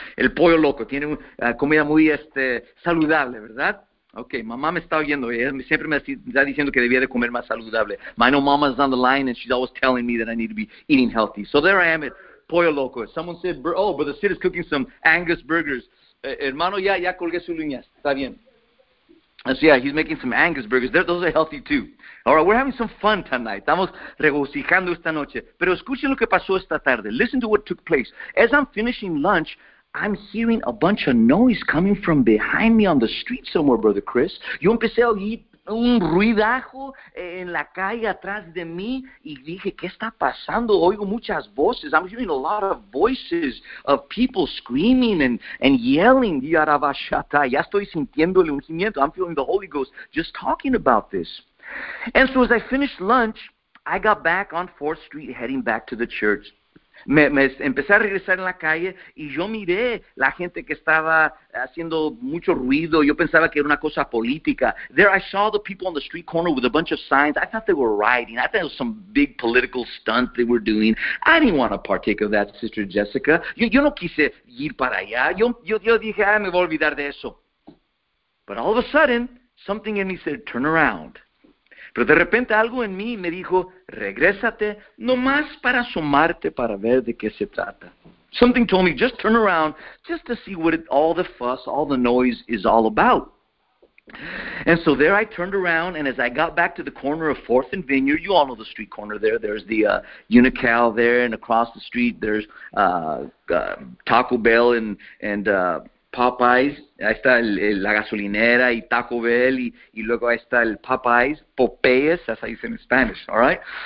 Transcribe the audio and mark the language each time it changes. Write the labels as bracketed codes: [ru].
[es] El Pollo Loco tiene comida muy saludable, ¿verdad? Okay, mamá me está oyendo. Ella siempre me está diciendo que debía de comer más saludable. [en] I know mama's on the line and she's always telling me that I need to be eating healthy. So there I am at Pollo Loco. Someone said, oh, but the Sid is cooking some Angus burgers. [es] Hermano, ya colgué sus uñas. Está bien. [en] So yeah, he's making some Angus burgers. Those are healthy too. All right, we're having some fun tonight. [es] Estamos regocijando esta noche. Pero escuchen lo que pasó esta tarde. [en] Listen to what took place. As I'm finishing lunch, I'm hearing a bunch of noise coming from behind me on the street somewhere, Brother Chris. [es] Yo empecé a oír un ruidajo en la calle atrás de mí y dije, ¿qué está pasando? Oigo muchas voces. [en] I'm hearing a lot of voices of people screaming and yelling. Yarabashata. [es] Ya estoy sintiendo el ungimiento. [en] I'm feeling the Holy Ghost just talking about this. And so as I finished lunch, I got back on 4th Street heading back to the church. [es] Me empecé a regresar en la calle y yo miré la gente que estaba haciendo mucho ruido. Yo pensaba que era una cosa política. [en] There I saw the people on the street corner with a bunch of signs. I thought they were rioting. I thought it was some big political stunt they were doing. I didn't want to partake of that, Sister Jessica. [es] Yo no quise ir para allá. Yo dije, me voy a olvidar de eso. [en] But all of a sudden, something in me said, turn around. [es] Pero de repente algo en mí me dijo, regrésate, nomás para asomarte, para ver de qué se trata. [en] Something told me, just turn around, just to see what all the fuss, all the noise is all about. And so there I turned around, and as I got back to the corner of 4th and Vineyard, you all know the street corner there, there's the Unical there, and across the street there's Taco Bell and Popeyes, [es] ahí está la gasolinera y Taco Bell, y luego ahí está el Popeyes, [en] Popeyes, that's how you say it in Spanish, all right?